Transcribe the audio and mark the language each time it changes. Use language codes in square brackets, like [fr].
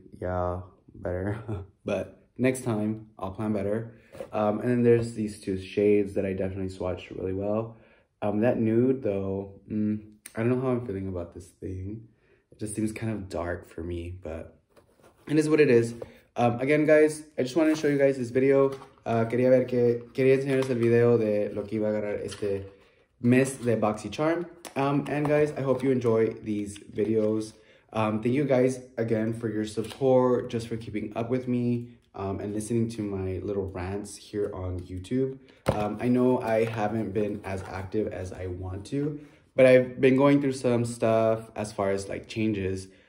[en] Yeah, better. But next time I'll plan better. And then there's these two shades that I definitely swatched really well. That nude though, I don't know how I'm feeling about this thing. It just seems kind of dark for me, but it is what it is. Again, guys, I just wanted to show you guys this video. [es] Quería ver que quería enseñarles el video de lo que iba a agarrar este mes de BoxyCharm. [en] And guys, I hope you enjoy these videos. Thank you guys again for your support, just for keeping up with me. And listening to my little rants here on YouTube. I know I haven't been as active as I want to, but I've been going through some stuff as far as like changes.